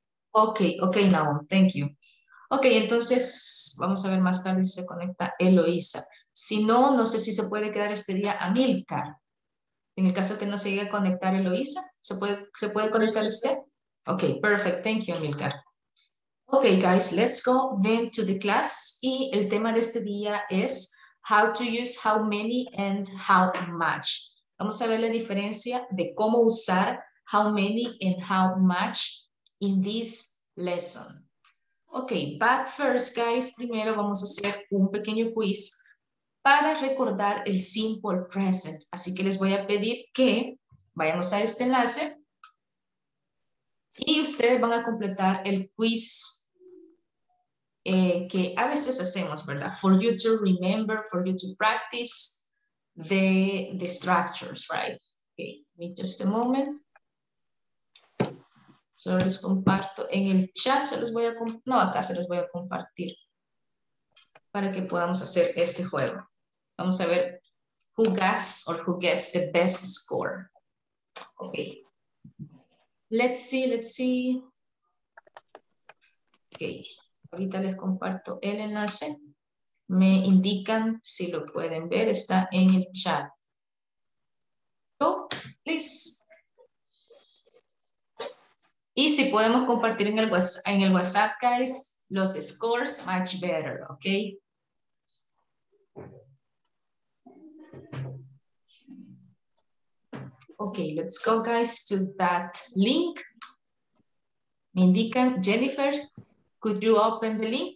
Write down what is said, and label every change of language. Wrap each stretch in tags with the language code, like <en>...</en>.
<en>Ok, now, thank you.</en> <es>Ok, entonces vamos a ver más tarde si se conecta Eloísa. Si no, no sé si se puede quedar este día a Milcar. En el caso que no se llegue a conectar Eloísa, ¿se puede conectar usted?</es> <en>Ok, perfect, thank you, Milcar. Ok, guys, let's go then to the class.</en> <es>Y el tema de este día es</es> <en>how to use how many and how much.</en> <es>Vamos a ver la diferencia de cómo usar</es> <en>how many and how much in this lesson. Ok, but first, guys,</en> <es>primero vamos a hacer un pequeño quiz para recordar el simple present. Así que les voy a pedir que vayamos a este enlace y ustedes van a completar el quiz que a veces hacemos, ¿verdad?</es> <en>For you to remember, for you to practice the structures, right? Ok, just a moment.</en> <es>Solo les comparto en el chat, acá se los voy a compartir para que podamos hacer este juego. Vamos a ver</es> <en>who gets the best score. Ok. Let's see.</en> <es>Ok. Ahorita les comparto el enlace. Me indican si lo pueden ver, está en el chat.</es> <en>So, please.</en> <es>Y si podemos compartir en el WhatsApp, guys, los scores,</es> <en>much better,</en> <es>¿ok?</es> <en>Ok, let's go, guys, to that link.</en> <es>Me indican,</es> <en>Jennifer, could you open the link?</en>